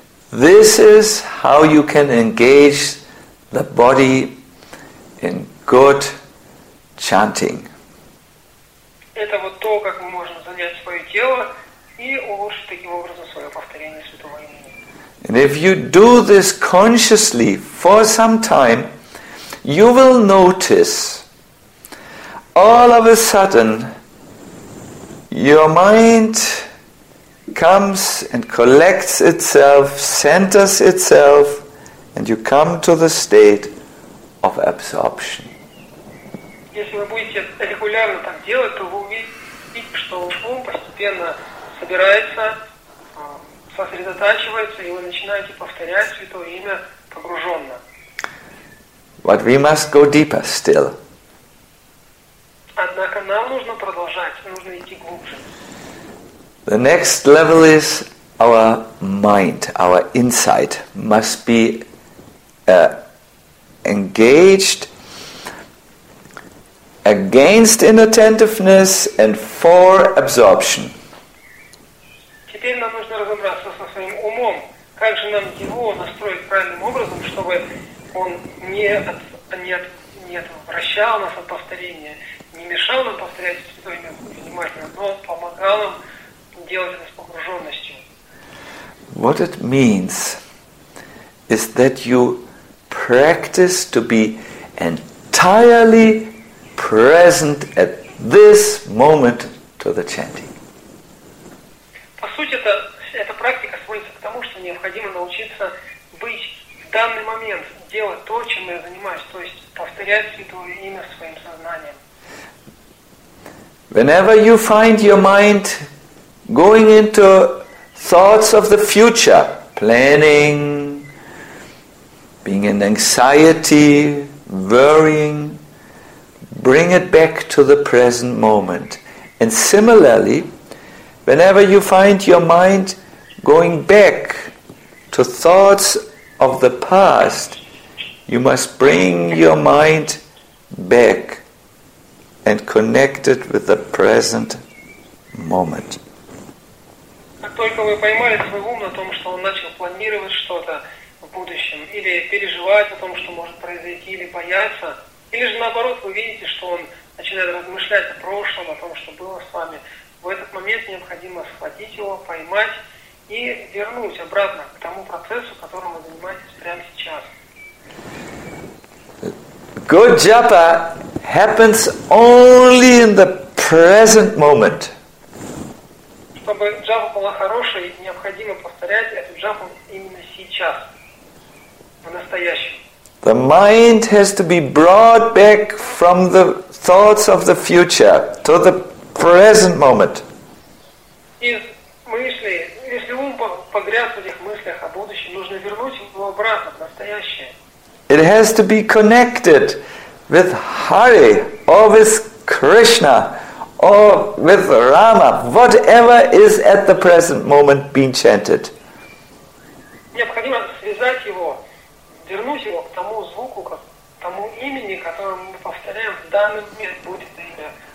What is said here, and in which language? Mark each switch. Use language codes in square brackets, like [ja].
[en] This is how you can engage the body in good chanting. [ru] Это вот то, как мы можем занять свое тело и улучшить таким образом свое повторение святого имени. [en] And if you do this consciously for some time, you will notice all of a sudden your mind comes and collects itself, centers itself, and you come to the state of absorption. [ru] Если вы будете регулярно так делать, то вы увидите, что ум постепенно собирается, сосредотачивается, и вы начинаете повторять Святое Имя погруженно. [en] But we must go deeper still. [ru] Однако нам нужно продолжать, нужно идти глубже. [en] The next level is our mind, our insight must be engaged against inattentiveness and for absorption. [ru] Теперь нам нужно разобраться со своим умом. Как же нам его настроить правильным образом, чтобы он не отвращал нас от повторения, не мешал нам повторять Святое Имя внимательно, но помогал нам [en] What it means is that you practice to be entirely present at this moment to the chanting. [ru] По сути, эта практика сводится к тому, что необходимо научиться быть в данный момент, делать то, чем я занимаюсь, то есть повторять Святое Имя своим сознанием. [en] Whenever you find your mind going into thoughts of the future, planning, being in anxiety, worrying, bring it back to the present moment. And similarly, whenever you find your mind going back to thoughts of the past, you must bring your mind back and connect it with the present moment. [ru] Только вы поймали свой ум на том, что он начал планировать что-то в будущем, или переживать о том, что может произойти, или бояться, или же наоборот, вы видите, что он начинает размышлять о прошлом, о том, что было с вами. В этот момент необходимо схватить его, поймать и вернуть обратно к тому процессу, которым вы занимаетесь прямо сейчас. [en] Good japa happens only in the present moment. [ru] Чтобы джапа была хорошей, необходимо повторять эту джапу именно сейчас, в настоящем. [en] The mind has to be brought back from the thoughts of the future to the present moment. [ru] Из мысли, если ум погряз в этих мыслях о будущем, нужно вернуть его обратно, в настоящее. [en] It has to be connected with Hare, or with Krishna, or with Rama, whatever is at the present moment being chanted. [ru] Необходимо связать его, вернуть его к тому звуку, к тому имени, которое мы повторяем в данный момент, будь это имя